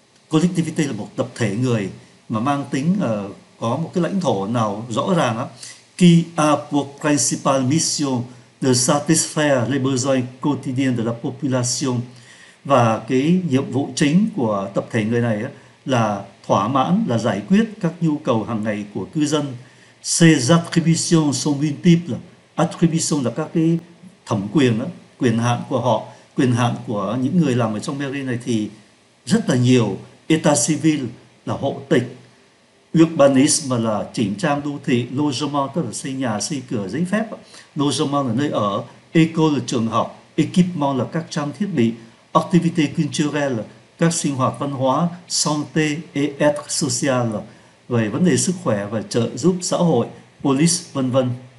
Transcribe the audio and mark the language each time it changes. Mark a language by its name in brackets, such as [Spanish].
[Vietnamese] Collectivité là một tập thể người mà mang tính có một cái lãnh thổ nào rõ ràng qui a pour principale mission de satisfaire les besoins quotidiens de la population. Và cái nhiệm vụ chính của tập thể người này là thỏa mãn, là giải quyết các nhu cầu hàng ngày của cư dân. [French] Ses attributions sont multiples. [Vietnamese] Attribution là các cái thẩm quyền, quyền hạn của họ, quyền hạn của những người làm ở trong Mairie này thì rất là nhiều. État civil là hộ tịch, urbanisme là chỉnh trang đô thị, logement tức là xây nhà, xây cửa, giấy phép, logement là nơi ở, école là trường học, équipement là các trang thiết bị, activité culturelle là các sinh hoạt văn hóa, santé et aide sociale về vấn đề sức khỏe và trợ giúp xã hội, police vân vân.